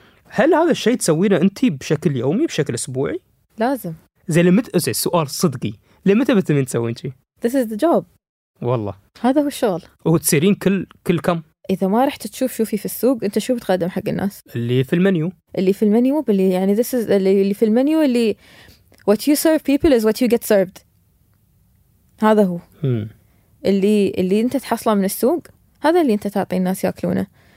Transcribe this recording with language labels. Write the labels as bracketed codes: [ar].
[ar] هل هذا الشيء تسوينه أنت بشكل يومي بشكل أسبوعي؟ لازم. زي لمت زي السؤال صدقي لمتى بتمين تسوين شيء؟ [en] This is the job. [ar] والله هذا هو الشغل. وتسيرين كل كم؟ إذا ما رحت تشوف شو في في السوق أنت شو بتقدم حق الناس؟ اللي في المنيو. اللي في المنيو باللي يعني this is اللي في المنيو اللي [en] what you serve people is what you get served. [ar] هذا هو. اللي أنت تحصله من السوق هذا اللي أنت تعطي الناس يأكلونه.